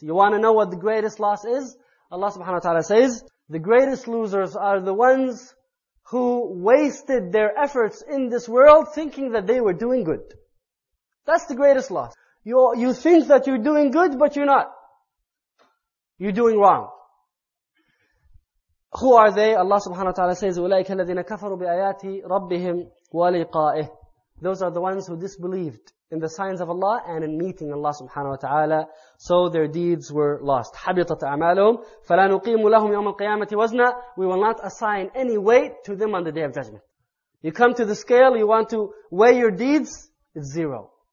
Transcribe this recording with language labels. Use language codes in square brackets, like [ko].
[en] You want to know what the greatest loss is? Allah subhanahu wa ta'ala says, the greatest losers are the ones who wasted their efforts in this world thinking that they were doing good. That's the greatest loss. You think that you're doing good, but you're not. You're doing wrong. Who are they? Allah subhanahu wa ta'ala says, [ar] أُولَٰئِكَ الَّذِينَ كَفَرُوا بِآيَاتِ رَبِّهِمْ وَلِقَائِهِ. [en] Those are the ones who disbelieved in the signs of Allah and in meeting Allah subhanahu wa ta'ala. So their deeds were lost. [ar] حَبِطَتْ أَعْمَالُهُمْ فَلَا نُقِيمُ لَهُمْ يَوْمَ الْقِيَامَةِ وَزْنًا. [en] We will not assign any weight to them on the Day of Judgment. You come to the scale, you want to weigh your deeds, it's zero.